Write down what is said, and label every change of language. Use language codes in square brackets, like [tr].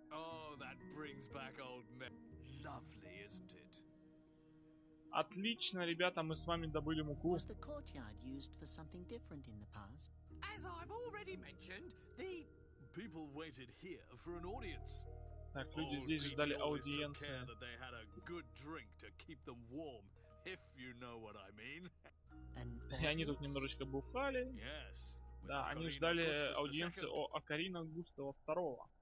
[en] Oh, that brings back old men. Lovely, isn't it? [ru] Отлично, ребята, мы с вами добыли муку. [en] Was the courtyard used for something different in the past? As I've already mentioned, the people waited here for an audience. [ru] Так, люди здесь ждали аудиенции. [en] Care that they had a good drink to keep them warm, if you know what I mean. [ru] И они тут немножечко бухали. [en] Yes. [ru] Да, они ждали аудиенции у Окарина Густава II.